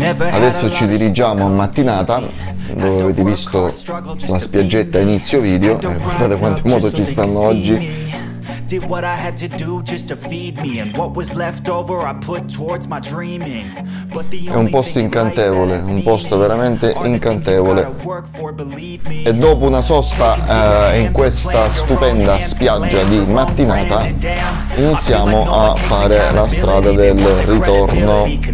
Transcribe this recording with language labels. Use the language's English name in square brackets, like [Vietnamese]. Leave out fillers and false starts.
[Italian] Adesso ci dirigiamo a Mattinata, dove avete visto la spiaggetta a inizio video. Guardate quante moto ci stanno oggi. [English] Did what I had to do just to feed me, and what was left over I put towards my dreaming. [Italian] But the è un posto incantevole, un posto veramente incantevole. E dopo una sosta in questa stupenda spiaggia di Mattinata, iniziamo a fare la strada del ritorno.